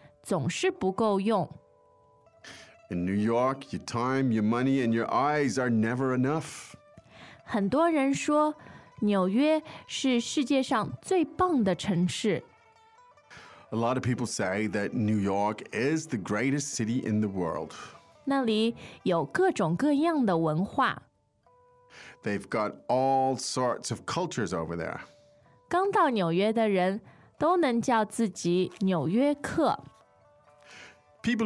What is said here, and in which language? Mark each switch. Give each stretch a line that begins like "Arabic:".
Chinese: 在纽约，时间、钱、眼睛总是不够用。In
English: New York, your time, your money, and your eyes are never enough.
Chinese: 很多人说纽约是世界上最棒的城市。
English: A lot of people say that New York is the greatest city in the world.
Chinese: 那里有各种各样的文化。They've
English: got all sorts of cultures over there.
Chinese: 刚到纽约的人都能叫自己纽约客。People